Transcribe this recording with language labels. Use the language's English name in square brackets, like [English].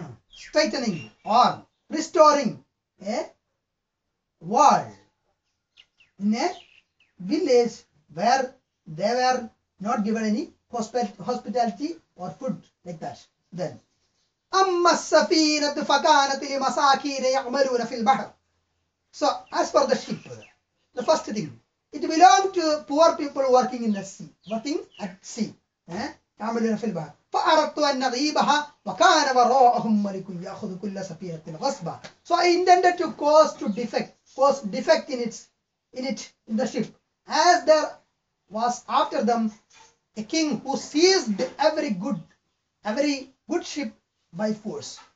[English] Straightening or restoring a wall in a village where they were not given any hospitality or food like that. [Arabic] Then, amma safinatu fakanatu limasakina ya'maluna fil bahr. [English] So, as for the ship, the first thing, it belonged to poor people working in the sea, working at sea. [Arabic] Ya'maluna fil bahr. فأردت أن أغيبها وكان وراءهم ملك يأخذ كل سفينة غصبا. [English] So I intended to cause defect in the ship. As there was after them a king who seized every good ship by force.